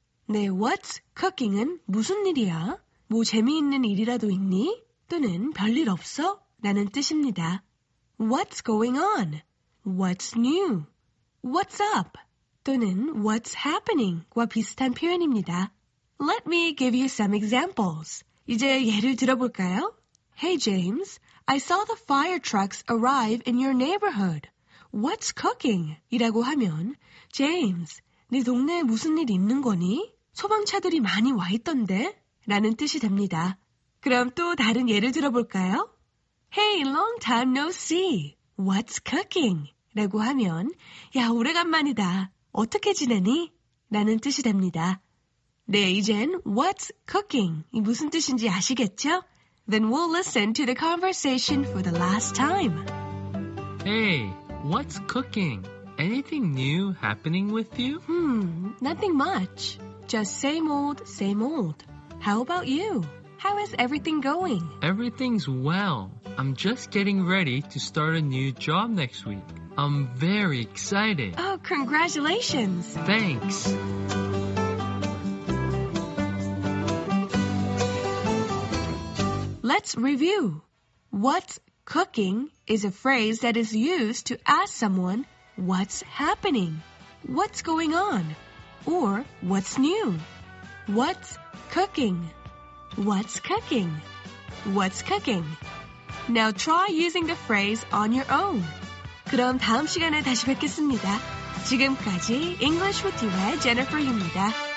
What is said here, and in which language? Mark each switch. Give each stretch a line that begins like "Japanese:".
Korean: 네,
English: what's cooking
Korean: 은 무슨 일이야? 뭐 재미있는 일이라도 있니? 또는 별일 없어? 라는 뜻입니다.
English: What's going on? What's new? What's up?
Korean: 또는
English: what's happening
Korean: 과 비슷한 표현입니다.
English: Let me give you some examples.
Korean: 이제 예를 들어볼까요?
English: Hey, James, I saw the fire trucks arrive in your neighborhood. What's cooking?
Korean: 이라고 하면, James, 네 동네에 무슨 일 있는 거니? 소방차들이 많이 와 있던데? 라는 뜻이 됩니다. 그럼 또 다른 예를 들어볼까요?
English: Hey, long time no see. What's cooking?
Korean: 라고 하면, 야, 오래간만이다. 어떻게 지내니? 라는 뜻이 됩니다. 네, 이젠
English: what's cooking?
Korean: 이 무슨 뜻인지 아시겠죠?
English: Then we'll listen to the conversation for the last time. Hey, what's cooking? Anything new happening with you? Nothing much. Just same old, same old. How about you? How is everything going? Everything's well. I'm just getting ready to start a new job next week. I'm very excited. Oh, congratulations. Thanks.
Korean: 리뷰.
English: What's cooking is a phrase that is used to ask someone what's happening, what's going on, or what's new. What's cooking? What's cooking? What's cooking? Now try using the phrase on your own.
Korean: 그럼 다음 시간에 다시 뵙겠습니다. 지금까지 English with You의 Jennifer입니다.